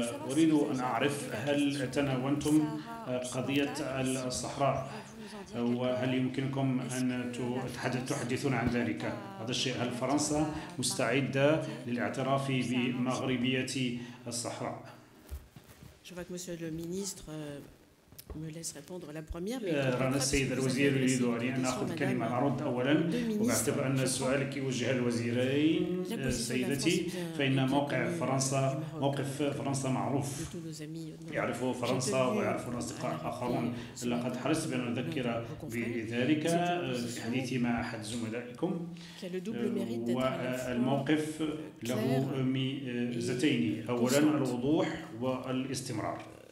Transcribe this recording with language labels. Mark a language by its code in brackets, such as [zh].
[ar] أريد أن أعرف هل تناولتم قضية الصحراء وهل يمكنكم أن تحدثون عن ذلك؟ هذا الشيء، هل فرنسا مستعدة للاعتراف بمغربية الصحراء؟ [fr] Je vois que monsieur le ministre me laisse répondre la première. [ar] رانا السيد الوزير يريد أن نأخذ كلمة أرد أولا وأعتقد أن السؤال كي وجه الوزيرين سيدتي فإن موقع فرنسا موقف فرنسا معروف يعرفه فرنسا ويعرفه أصدقاء آخرون لقد حرصت بأن أذكر بذلك في حديثي مع أحد زملائكم والموقف له ميزتين أولا الوضوح والاستمرار